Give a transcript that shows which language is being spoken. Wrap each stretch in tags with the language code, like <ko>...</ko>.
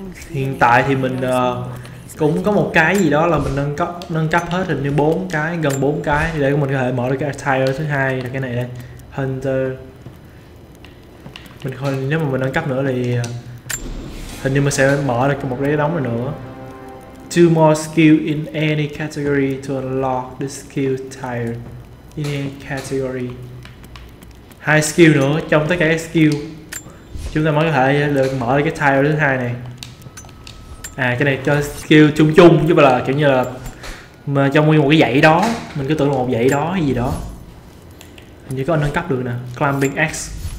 <vi>Hiện tại thì mình cũng có một cái gì đó là mình nâng cấp hết, hình như gần 4 cái để mình có thể mở được cái attire thứ hai là cái này đây, Hunter. Mình coi nếu mà mình nâng cấp nữa thì hình như mình sẽ mở được một cái đống nữa.</vi> <en>Two more skill in any category to unlock the skill attire in any category.</en> <vi>2 skill nữa trong tất cả các skill chúng ta mới có thể được mở được cái attire thứ hai này. À, cái này cho skill chung chứ mà là kiểu như là mà trong nguyên một cái dãy đó, mình cứ tưởng là một dãy đó hay gì đó. Hình như có nâng cấp được nè, Climbing X.</vi>